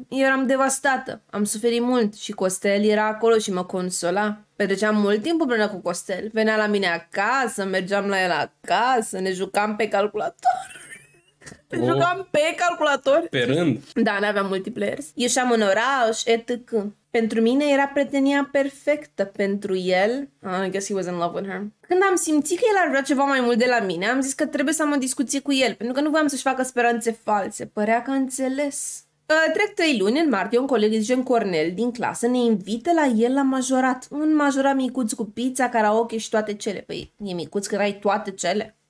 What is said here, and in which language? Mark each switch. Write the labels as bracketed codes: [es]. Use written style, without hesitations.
[ro] Eu eram devastată, am suferit mult și Costel era acolo și mă consola. Petreceam mult timp împreună cu Costel. Venea la mine acasă, mergeam la el acasă, ne jucam pe calculator. Jucam pe calculator. Pe rând. Da, n-aveam multiplayer. Ieșeam în oraș, etc. Pentru mine era prietenia perfectă. Pentru el, [en] I guess he was in love with her. [ro] Când am simțit că el ar vrea ceva mai mult de la mine, am zis că trebuie să am o discuție cu el, pentru că nu voiam să-și facă speranțe false. Părea că a înțeles. Trec 3 luni, în martie, un coleg, Jean Cornel, din clasă, ne invită la el la majorat. Un majorat micuț cu pizza, karaoke și toate cele. Păi, e micuț că ai toate cele.